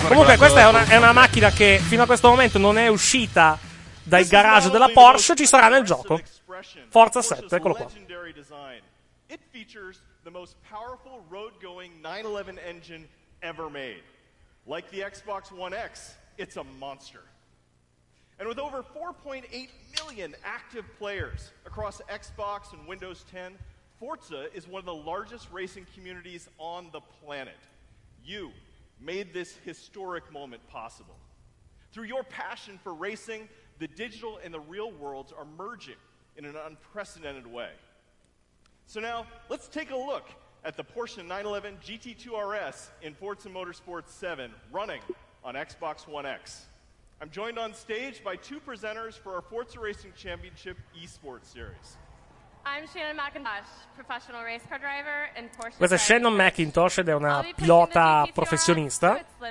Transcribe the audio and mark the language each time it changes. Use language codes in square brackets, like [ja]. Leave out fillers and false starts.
[it] Comunque, questa è una macchina che fino a questo momento non è uscita dal garage della Porsche. Ci sarà nel gioco. Forza 7, eccolo qua. [en] It features the most powerful road-going 911 engine ever made. Like the Xbox One X, it's a monster. And with over 4.8 million active players across Xbox and Windows 10, Forza is one of the largest racing communities on the planet. You made this historic moment possible. Through your passion for racing, the digital and the real worlds are merging in an unprecedented way. So now, let's take a look at the Porsche 911 GT2 RS in Forza Motorsport 7 running on Xbox One X. I'm joined on stage by two presenters for our Forza Racing Championship eSports Series. I'm Shannon McIntosh, professional race car driver and Porsche. [it] Questa è Shannon McIntosh ed è una pilota professionista.